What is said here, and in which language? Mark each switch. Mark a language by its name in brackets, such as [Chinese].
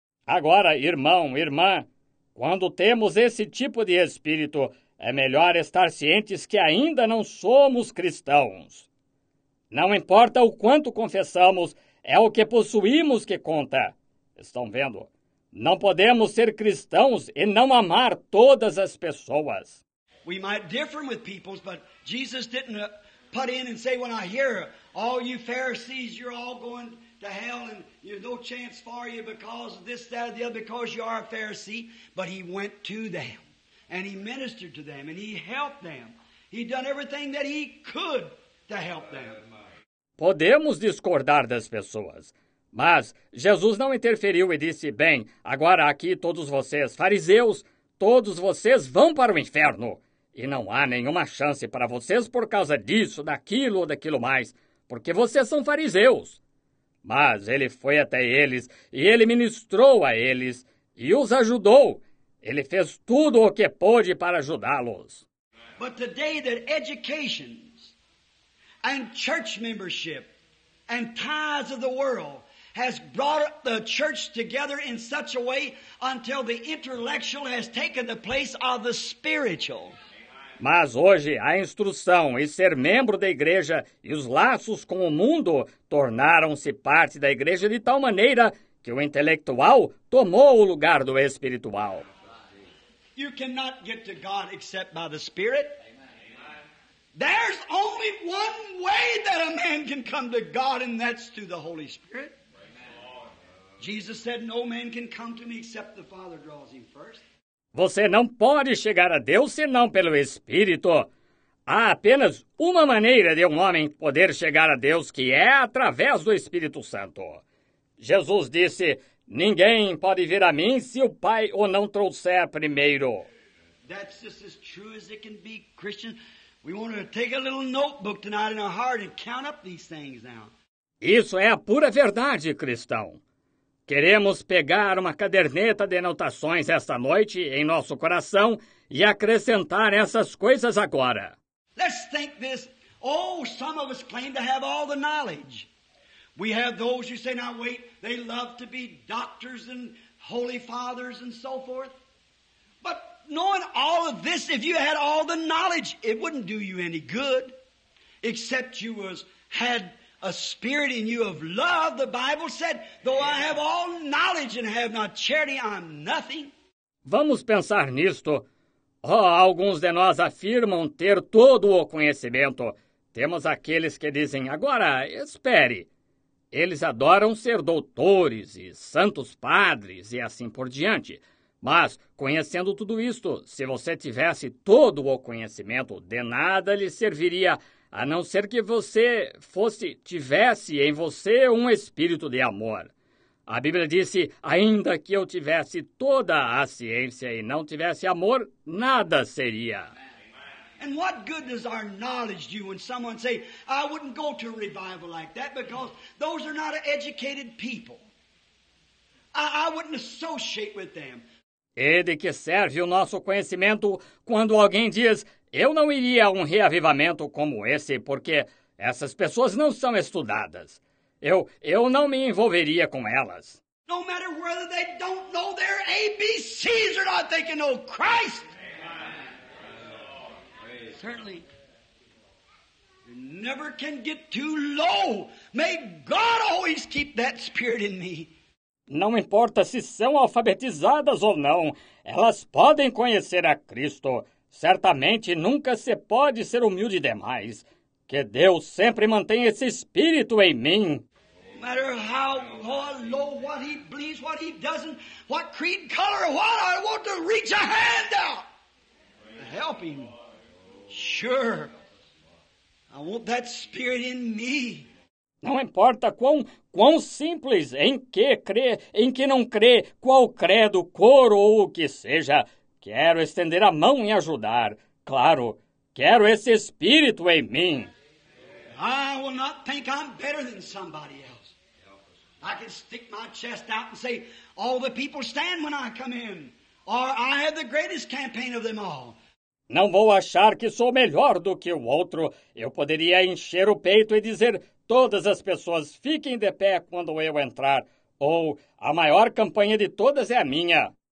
[Portuguese] Agora, irmão, irmã, quando temos esse tipo de espírito, é melhor estar cientes que ainda não somos cristãos. Não importa o quanto confessamos, é o que possuímos que conta. Estão vendo? Não podemos ser cristãos e não amar todas as pessoas. [English] We might differ with peoples, but Jesus didn't put in and say, when I hear all you Pharisees, you're all going to hell and there's no chance for you because of this, that, or the other, because you are a Pharisee. But he went to them and he ministered to them and he helped them. He done everything that he could to help them. [Portuguese] Podemos discordar das pessoas, mas Jesus não interferiu e disse, bem, agora aqui todos vocês, fariseus, todos vocês vão para o inferno. E não há nenhuma chance para vocês por causa disso, daquilo ou daquilo mais, porque vocês são fariseus. Mas ele foi até eles, e ele ministrou a eles, e os ajudou. Ele fez tudo o que pôde para ajudá-los. [English] But the day that educations and church membership and ties of the world has brought the church together in such a way until the intellectual has taken the place of the spiritual. [Portuguese] Mas hoje, a instrução e ser membro da igreja e os laços com o mundo tornaram-se parte da igreja de tal maneira que o intelectual tomou o lugar do espiritual. [English] You cannot get to God except by the Spirit. There's only one way that a man can come to God, and that's through the Holy Spirit. Jesus said, no man can come to me except the Father draws him first. [Portuguese] Você não pode chegar a Deus senão pelo Espírito. Há apenas uma maneira de um homem poder chegar a Deus, que é através do Espírito Santo. Jesus disse, ninguém pode vir a mim se o Pai o não trouxer primeiro. [English] That's just as true as it can be, Christian. We want to take a little notebook tonight in our heart and count up these things now. [Portuguese] Isso é a pura verdade, cristão. Queremos pegar uma caderneta de anotações esta noite em nosso coração e acrescentar essas coisas agora. [English] Let's think this. Oh, some of us claim to have all the knowledge. We have those who say, now wait, they love to be doctors and holy fathers and so forth. But knowing all of this, if you had all the knowledge, it wouldn't do you any good. Except you had a spirit in you of love, the Bible said, though I have all knowledge and have not charity, I'm nothing. [Portuguese] Vamos pensar nisto. Oh, alguns de nós afirmam ter todo o conhecimento. Temos aqueles que dizem, agora, espere. Eles adoram ser doutores e santos padres e assim por diante. Mas, conhecendo tudo isto, se você tivesse todo o conhecimento, de nada lhe serviria, a não ser que você tivesse em você um espírito de amor. A Bíblia disse, ainda que eu tivesse toda a ciência e não tivesse amor, nada seria. [English] And what good does our knowledge do when someone say, I wouldn't go to a revival like that because those are not educated people. I wouldn't associate with them. [Portuguese] E de que serve o nosso conhecimento quando alguém diz: eu não iria a um reavivamento como esse porque essas pessoas não são estudadas. Eu não me envolveria com elas. [English] No matter whether they don't know their ABCs or not, they can know Christ. Certainly, you never can get too low. May God always keep that spirit in me. [Portuguese] Não importa se são alfabetizadas ou não, elas podem conhecer a Cristo. Certamente nunca se pode ser humilde demais. Que Deus sempre mantenha esse espírito em mim. [English] No matter how low, what he believes, what he doesn't, what creed, color, what, I want to reach a hand out. Help him. Sure. I want that spirit in me. [Portuguese] Não importa quão simples, em que crê, em que não crê, qual credo, cor ou o que seja, quero estender a mão e ajudar. Claro, quero esse espírito em mim. [English] I will not think I'm better than somebody else. I can stick my chest out and say, all the people stand when I come in. Or I have the greatest campaign of them all. [Portuguese] Não vou achar que sou melhor do que o outro. Eu poderia encher o peito e dizer: todas as pessoas fiquem de pé quando eu entrar. Ou, a maior campanha de todas é a minha.